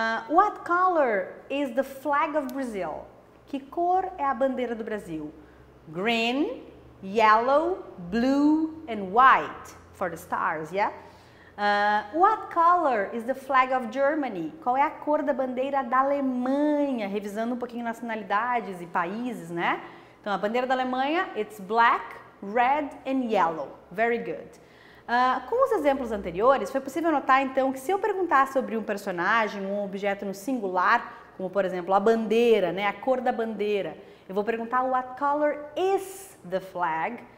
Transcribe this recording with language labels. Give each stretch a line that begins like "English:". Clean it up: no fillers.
English: What color is the flag of Brazil?
Portuguese: Que cor é a bandeira do Brasil?
English: Green, yellow, blue and white for the stars, yeah? What color is the flag of Germany?
Portuguese: Qual é a cor da bandeira da Alemanha? Revisando um pouquinho nacionalidades e países, né? Então, a bandeira da Alemanha,
English: it's black, red and yellow. Very good.
Portuguese: Com os exemplos anteriores, foi possível notar, então, que se eu perguntar sobre um personagem, um objeto no singular, como, por exemplo, a bandeira, né? A cor da bandeira, eu vou perguntar
English: what color is the flag?